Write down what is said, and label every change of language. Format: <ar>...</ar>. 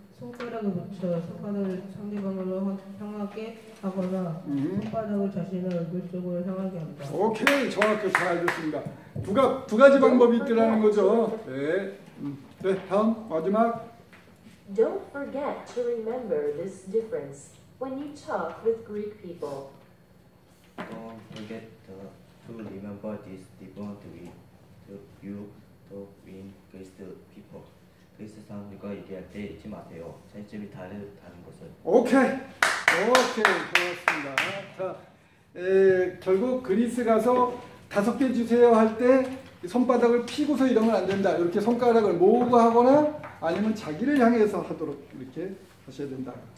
<ko>손가락을 붙여 손가락을 상대방으로 향하게 하거나 손바닥을 자신의 얼굴 쪽으로 향하게 합니다. 오케이, 정확히 잘 알겠습니다. 두 가지 방법이 있다는 거죠. 네. 네, 다음 마지막.</ko> <en>Don't forget to remember this difference when you talk with Greek people. Don't forget to remember this difference with you talk with Greek people.</en> <ko>그리스 사람들과 얘기할 때 잊지 마세요. 차이점이 다르다는 것을. 오케이, 고맙습니다. 자, 결국 그리스 가서 다섯 개 주세요 할 때 손바닥을 펴고서 이러면 안 된다. 이렇게 손가락을 모으고 하거나 아니면 자기를 향해서 하도록 이렇게 하셔야 된다.</ko>